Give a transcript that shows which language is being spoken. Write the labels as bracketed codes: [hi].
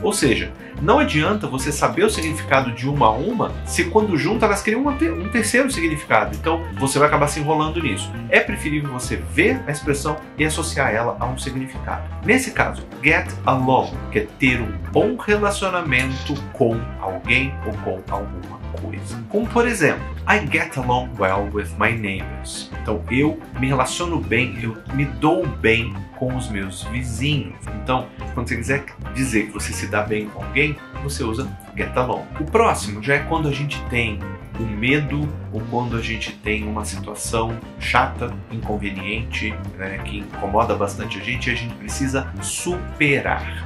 [pt] Ou seja, não adianta você saber o significado de uma se quando junta elas criam um terceiro significado. Então você vai acabar se enrolando nisso. É preferível você ver a expressão e associar ela a um significado. Nesse caso, get along, que é ter um bom relacionamento com alguém ou com alguma coisa. Como por exemplo, [en] I get along well with my neighbors. [pt] Então eu me relaciono bem, eu me dou bem com os meus vizinhos. Então, quando você quiser dizer que você se dá bem com alguém, você usa get along. O próximo já é quando a gente tem um medo ou quando a gente tem uma situação chata, inconveniente, né, que incomoda bastante a gente precisa superar.